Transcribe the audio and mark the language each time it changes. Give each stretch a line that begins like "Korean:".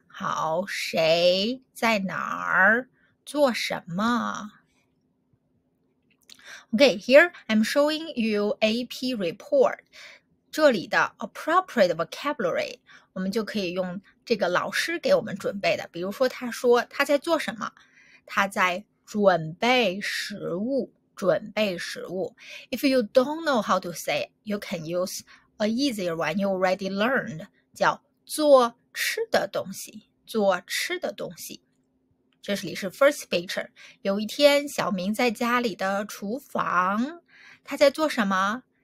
Chinese: 好，谁在哪儿做什么？OK，
English: here I'm showing you AP report。
Chinese: 这里的 appropriate vocabulary，我们就可以用。这个老师给我们准备的，比如说他说他在做什么，他在准备食物，准备食物。
English: If you don't know how to say, you can use a easier one you already learned，
Chinese: 叫做吃的东西，做吃的东西。这里是 first picture。有一天，小明在家里的厨房，他在做什么？